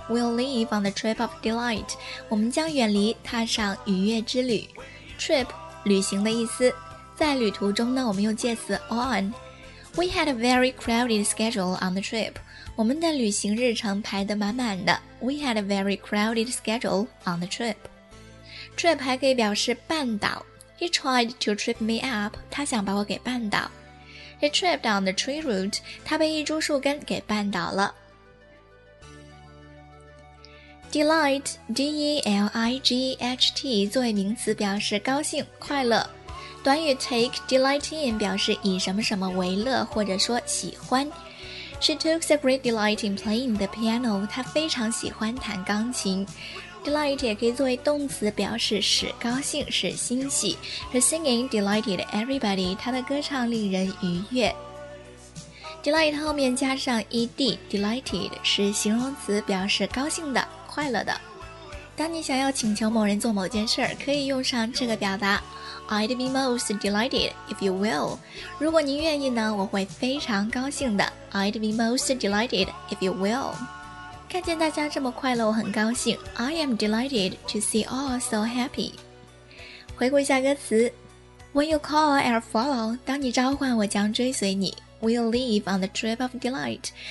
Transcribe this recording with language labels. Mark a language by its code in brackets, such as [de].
[en] We'll leave on the trip of delight. [zh] 我们将远离，踏上愉悦之旅。Trip, 旅行的意思。在旅途中呢，我们用介词 on. [en] We had a very crowded schedule on the trip. [zh] 我们的旅行日程排得满满的。 [en] We had a very crowded schedule on the trip. [zh] Trip 还可以表示绊倒。 [en] He tried to trip me up. [zh] 他想把我给绊倒。 [en] He tripped on the tree root. [zh] 他被一株树根给绊倒了。 Delight, D-E-L-I-G-H-T, 作为名词表示高兴、快乐。短语 take delight in 表示以什么什么为乐或者说喜欢。 [en] She took a great delight in playing the piano. [zh] 她非常喜欢弹钢琴。 Delight 也可以作为动词表示使高兴、使欣喜。 [en] Her singing delighted everybody. [zh] 她的歌唱令人愉悦。 Delight 后面加上 ed, delighted 是形容词，表示高兴的、快乐的。当你想要请求某人做某件事，可以用上这个表达。 [en] I'd be most delighted if you will. [zh] 如果您愿意呢，我会非常高兴的。 [en] I'd be most delighted if you will. [zh] 看见大家这么快乐，我很高兴。 [en] I am delighted to see all so happy. [zh] 回顾一下歌词。 [en] When you call, I'll follow. [zh] 当你召唤，我将追随你。 [en] We'll leave on the trip of delight.